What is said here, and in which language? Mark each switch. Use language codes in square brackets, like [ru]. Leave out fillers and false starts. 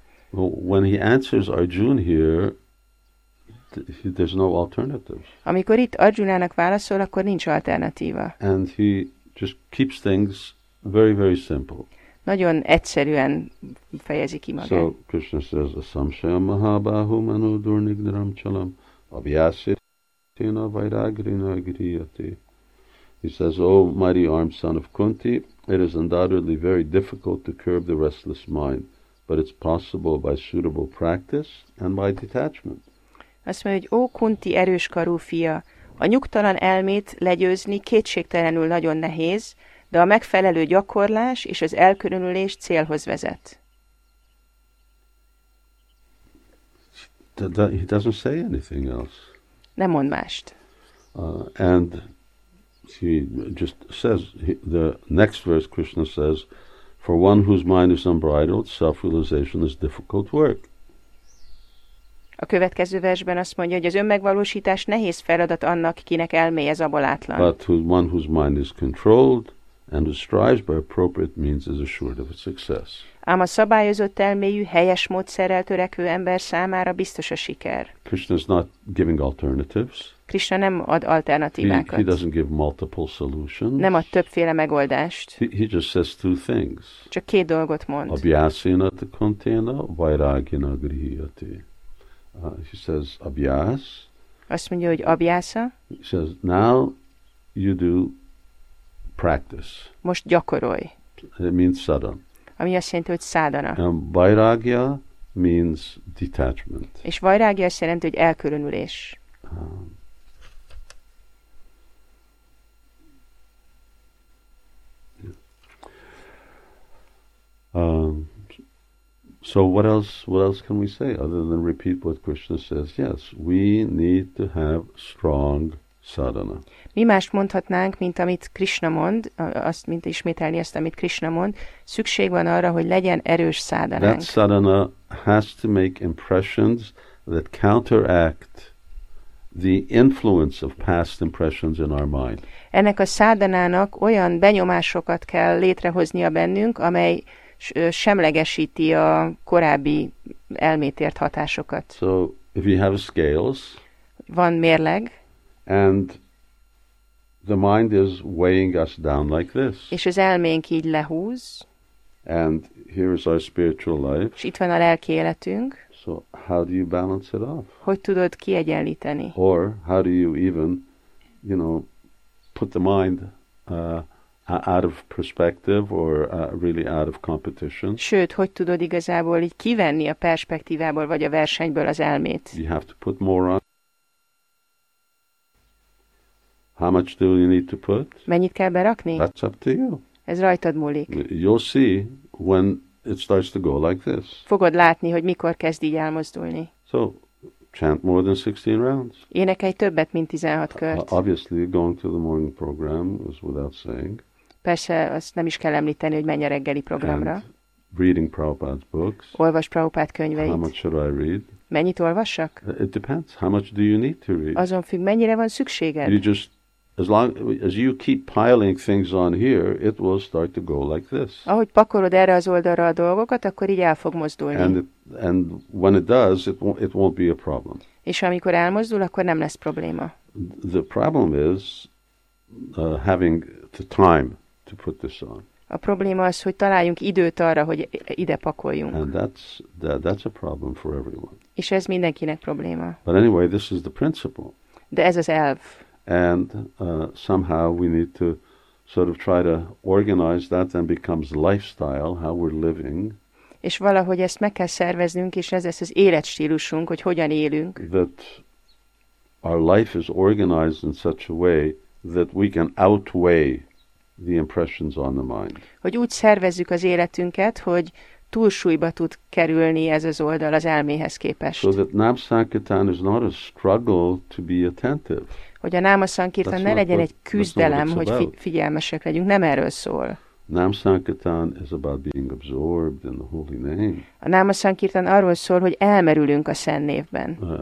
[en] When he answers Arjuna here, there's no alternative. [hu] Amikor itt Arjunának válaszol, akkor nincs alternatíva. [en] And he just keeps things very, very simple. [hu] Nagyon egyszerűen fejezi ki magát. [en] So Krishna says, [sa] Asamshaya mahabahu manu durnignaram chalam abhyasitena vairagrina griyate. [en] He says, O mighty armed son of Kunti, it is undoubtedly very difficult to curb the restless mind. but it's possible by suitable practice and by detachment. [hu] Azt mondja, hogy ó Kunti erős karú fia, a nyugtalan elmét legyőzni kétségtelenül nagyon nehéz, de a megfelelő gyakorlás és az elkülönülés célhoz vezet. [en] He doesn't say anything else. [hu] Nem mond mást. [en] And he just says, the next verse Krishna says, for one whose mind is unbridled, self-realization is difficult work. [hu] A következő versben azt mondja, hogy az önmegvalósítás nehéz feladat annak, kinek elméje zabolátlan. [en] But one whose mind is controlled and who strives by appropriate means is assured of its success. [hu] Ám a szabályozott elméjű, helyes módszerrel törekvő ember számára biztos a siker. [en] Krishna is not giving alternatives. [hu] Krishna nem ad alternatívákat. [en] He doesn't give multiple solutions. [hu] Nem ad többféle megoldást. [en] He just says two things. [hu] Csak két dolgot mond. [sa] Abhyasena kunteno vairagyena grihyate. [en] He says abhyas. [hu] Azt mondja, hogy abhyasa. [en] He says now you do practice. [hu] Most gyakorolj. [en] It means sadhana. [hu] Ami azt jelenti, hogy szádana. [en] And vairagya means detachment. [hu] És vairagya azt jelenti, hogy elkülönülés. [en] So what else can we say other than repeat what Krishna says? Yes, we need to have strong sadhana. [hu] Mi más mondhatnánk, mint amit Krishna mond, azt, mint ismételni ezt, amit Krishna mond, szükség van arra, hogy legyen erős sadhana. [en] That sadhana has to make impressions that counteract the influence of past impressions in our mind. [hu] Ennek a sadhanának olyan benyomásokat kell létrehoznia bennünk, amely semlegesíti a korábbi elmétért hatásokat. [en] So, if you have scales, [hu] van mérleg, [en] and the mind is weighing us down like this. [hu] És az elménk így lehúz. [en] And here is our spiritual life. [hu] És itt van a lelki életünk. [en] So how do you balance it off? [hu] Hogy tudod kiegyenlíteni? [en] Or how do you even, you know, put the mind out of perspective or really out of competition? [hu] Sőt, hogy tudod igazából így kivenni a perspektívából vagy a versenyből az elmét? [en] You have to put more on. How much do you need to put? [hu] Mennyit kell berakni? [en] That's up to you. [hu] Ez rajtad múlik. [en] You'll see when it starts to go like this. [hu] Fogod látni, hogy mikor kezd így elmozdulni. [en] So, chant more than 16 rounds. [hu] Énekelj többet, mint 16 kört. [en] Obviously, going to the morning program is without saying. [hu] Persze, azt nem is kell említeni, hogy menj a reggeli programra. [en] And reading Prabhupada's books. [hu] Olvasd Prabhupada könyveit. [en] How much should I read? [hu] Mennyit olvassak? [en] It depends. How much do you need to read? [hu] Azon függ, mennyire van szükséged? [en] You just, as you keep piling things on here, it will start to go like this. [hu] Ahogy pakolod erre az oldalra a dolgokat, akkor így el fog mozdulni. [en] And when it does, it won't be a problem. [hu] És amikor elmozdul, akkor nem lesz probléma. [en] The problem is having the time to put this on. [hu] A probléma az, hogy találjunk időt arra, hogy ide pakoljunk. [en] And that's a problem for everyone. [hu] És ez mindenkinek probléma. [en] But anyway, this is the principle. [hu] De ez az elv. [en] And somehow we need to sort of try to organize that and becomes lifestyle, how we're living. [hu] És valahogy ezt meg kell szerveznünk, és ez lesz az életstílusunk, hogy hogyan élünk. [en] That our life is organized in such a way that we can outweigh the impressions on the mind. [hu] Hogy úgy szervezzük az életünket, hogy túlsúlyba tud kerülni ez az oldal az elméhez képest. [en] So that Nam Sankirtan is not a struggle to be attentive. [hu] Hogy a Náma Sankirtan ne legyen egy küzdelem, hogy figyelmesek legyünk, nem erről szól. [en] Nam Sankirtan is about being absorbed in the holy name. [hu] A Náma Sankirtan arról szól, hogy elmerülünk a szent névben.